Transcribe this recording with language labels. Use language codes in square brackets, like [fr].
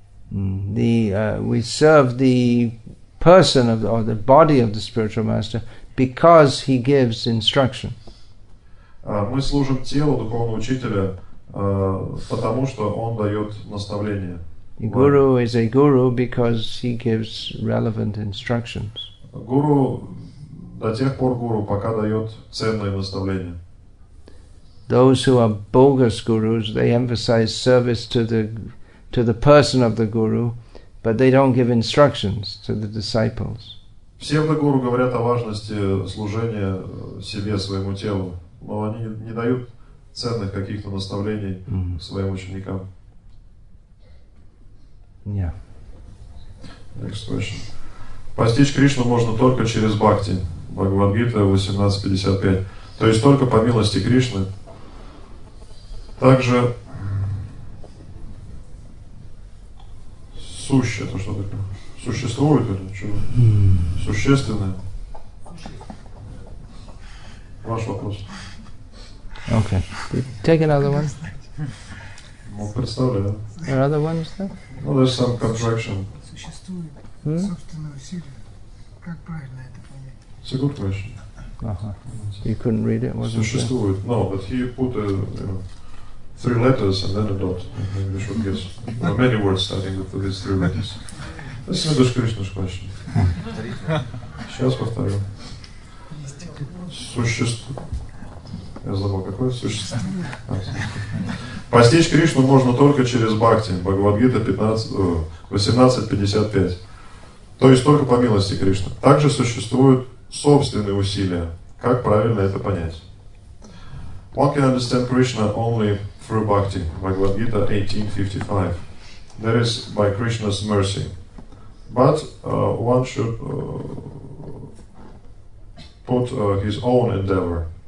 [en] We serve the person of the body of the spiritual master because he gives instruction. [ru] Мы служим телу духовного учителя, потому что он дает наставление. [en] Guru is a guru because he gives relevant instructions. [ru] Guru до тех пор guru, пока дает ценное наставление. [en] Those who are bogus gurus, they emphasize service to the person of the guru, but they don't give instructions to the disciples. [ru] Псевдогуру говорят о важности служения себе, своему телу, но они не дают ценных каких-то наставлений своим ученикам. [en] Yeah. Next question. [ru] Постичь Кришну можно только через бхакти. Бхагавадгита 18.55. То есть только по милости Кришны. Также суще, то что такое? Существует или что? Существенное. Ваш вопрос. [en] Okay. Take another one. [ru] Ну, представляю. [en] There are other ones, though? Ну, there's some contraction. [ru] Существует собственное усилие. Как правильно это понять? [en] Second question. Uh-huh. You couldn't read it, wasn't it? [ru] Существует. [en] No, but he put three letters and then a dot. You should guess. There are many words starting with these three letters. This is Mr. Krishna's question. [ru] Сейчас повторю. Существует. Я забыл, какое существо. Постичь Кришну можно только через бхакти. Бхагавадгита 18.55. То есть только по милости Кришны. Также существуют собственные усилия. Как правильно это понять? [en] One can understand Krishna only through bhakti. [ru] Бхагавадгита 18.55. [en] That is by Krishna's mercy. But one should put his own endeavor.